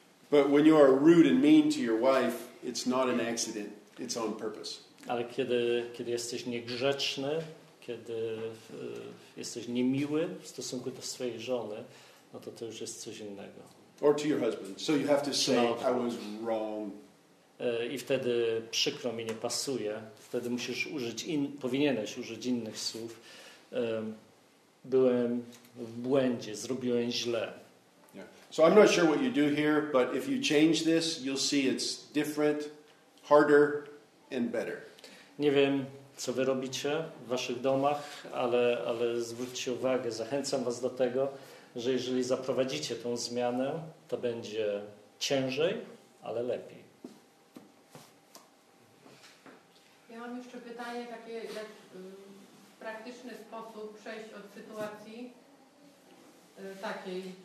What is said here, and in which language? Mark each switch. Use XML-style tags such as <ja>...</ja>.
<en>But when you are rude and mean to your wife, it's not an accident, it's on purpose.</en> <pl>Ale kiedy jesteś niegrzeczny, kiedy jesteś niemiły w stosunku do swojej żony, no to już jest coś innego.</pl> <en>Or to your husband. So you have to say, no, I was wrong.</en> <pl>I wtedy przykro mi nie pasuje. Wtedy musisz użyć, powinieneś użyć innych słów. Byłem w błędzie, zrobiłem źle.</pl> <en>Yeah. So I'm not sure what you do here, but if you change this, you'll see it's different, harder and better.</en> <pl>Nie wiem, co wy robicie w waszych domach, ale zwróćcie uwagę, zachęcam was do tego, że jeżeli zaprowadzicie tą zmianę, to będzie ciężej, ale lepiej. Ja mam jeszcze pytanie takie, jak w praktyczny sposób przejść od sytuacji takiej.</pl>